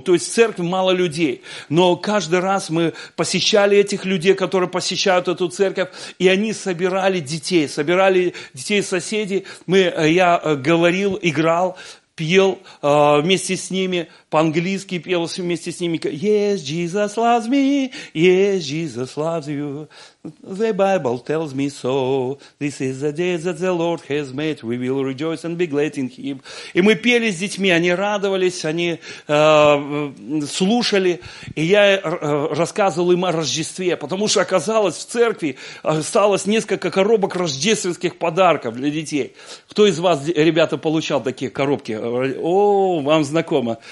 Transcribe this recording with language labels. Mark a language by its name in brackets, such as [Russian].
[Russian] То есть в церкви мало людей, но каждый раз мы посещали этих людей, которые посещают эту церковь, и они собирали детей соседей. Я говорил, играл, пел вместе с ними, по-английски пел вместе с ними. [English] Yes, Jesus loves me, yes, Jesus loves you. The Bible tells me so. This is the day that the Lord has made. We will rejoice and be glad in Him. [Russian] И мы пели с детьми, они радовались, они слушали. И я рассказывал им о Рождестве, потому что оказалось, в церкви осталось несколько коробок рождественских подарков для детей. Кто из вас, ребята, получал такие коробки? О, вам знакомо.